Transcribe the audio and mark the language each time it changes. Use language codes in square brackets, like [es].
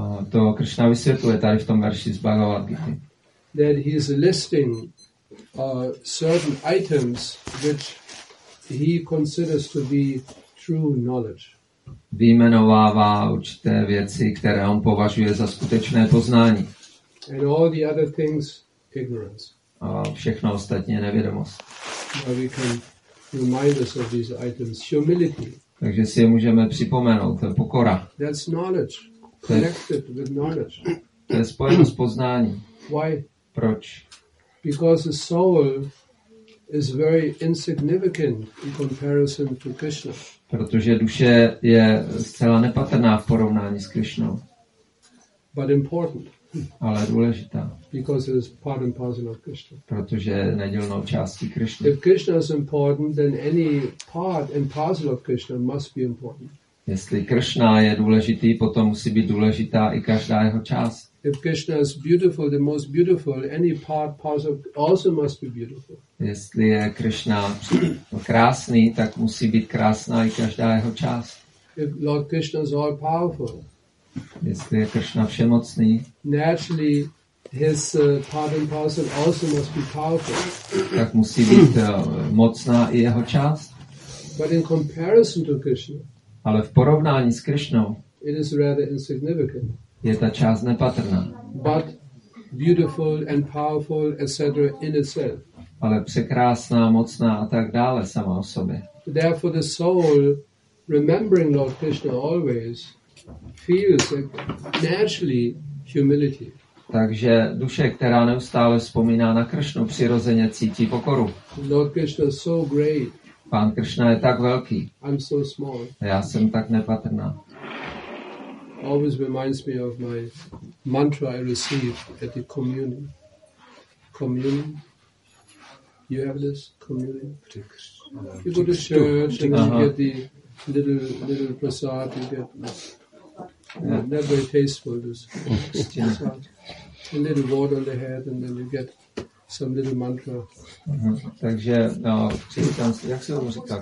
[cs] To Krishna vysvětluje tady v tom verši z Bhagavad Gita. [en] That he is listing certain items which he considers to be true knowledge. [cs] Vyjmenovává určité věci, které on považuje za skutečné poznání. [en] And all the other things, ignorance. [cs] A všechno ostatní nevědomost. [en] Now we can remind us of these items. Humility. [cs] Takže si je můžeme připomenout. To je pokora. [en] That's knowledge. Connected with knowledge. [cs] To je spojeno s poznáním. [en] Why? [cs] Proč? [en] Because the soul is very insignificant in comparison to Krishna. [cs] Protože duše je zcela nepatrná v porovnání s Krishnou. [en] But important. [cs] Ale důležitá. [en] Because it is part and parcel of Krishna. [cs] Protože je nedělnou částí Krishny. [en] If Krishna is important, then any part and parcel of Krishna must be important. [cs] Jestli Krishna je důležitý, potom musí být důležitá i každá jeho část. [en] If Krishna is beautiful, the most beautiful, any part, parcel also must be beautiful. [cs] Jestli je Krishna krásný, tak musí být krásná i každá jeho část. [en] If Lord Krishna is all powerful, [cs] jestli je Krishna všemocný, [en] naturally his part and parcel also must be powerful. [cs] Tak musí být mocná i jeho část. [en] But in comparison to Krishna, [cs] ale v porovnání s Krishnou, [en] it is rather insignificant. [cs] Je ta část nepatrná. [en] But beautiful and powerful, etc. in itself. [cs] Ale překrásná, mocná a tak dále sama o sobě. [en] Therefore the soul, remembering Lord Krishna always, feels a naturally humility. [cs] Takže duše, která neustále vzpomíná na Krishnu, přirozeně cítí pokoru. [en] Lord Krishna is so great. [cs] Pán Krishna je tak velký. [en] I'm so small. [cs] Já jsem tak nepatrná. [en] Always reminds me of my mantra I received at the communion. Communion? You have this communion? You go to church and you get the little prasad, you get Not very tasteful. Just a little water on the head, and then you get some little mantra. [cs] Takže křesťanství, jak se tomu říká?